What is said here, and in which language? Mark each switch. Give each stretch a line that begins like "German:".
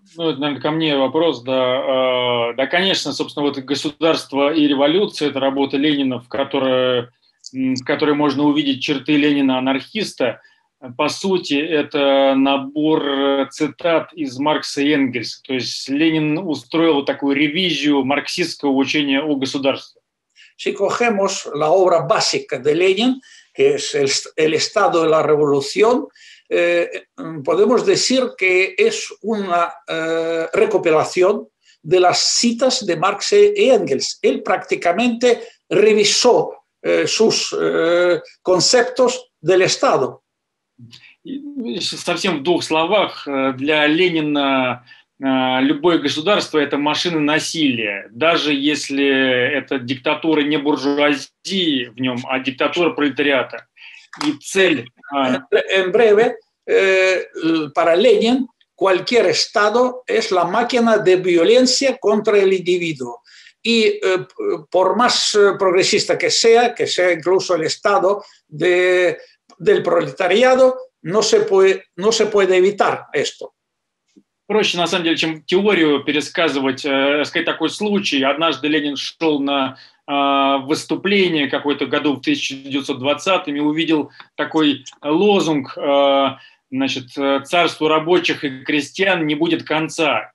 Russian: Ну, это, наверное, ко мне вопрос. Да, да, конечно, собственно, вот государство и революция – это работа Ленина, в которой можно увидеть черты Ленина-анархиста. По сути, это набор цитат из Маркса и Энгельса. То есть Ленин устроил такую ревизию марксистского учения о государстве.
Spanish: Si cogemos la obra básica de Lenin, que es el Estado y la Revolución, podemos decir que es una recopilación de las citas de Marx y Engels. Él prácticamente revisó sus conceptos del Estado.
Russian: Совсем в двух словах, для Ленина любое государство – это машина насилия, даже если это диктатура не буржуазии в нем, а диктатура пролетариата. И цель…
Spanish: En breve, para Lenin, cualquier Estado es la máquina de violencia contra el individuo. Y por más progresista que sea incluso el Estado del пролетариado, No se puede evitar esto.
Russian: Проще, на самом деле, чем теорию пересказывать, сказать такой случай. Однажды Ленин шел на выступление какой-то году в 1920-м и увидел такой лозунг, значит, «Царству рабочих и крестьян не будет конца».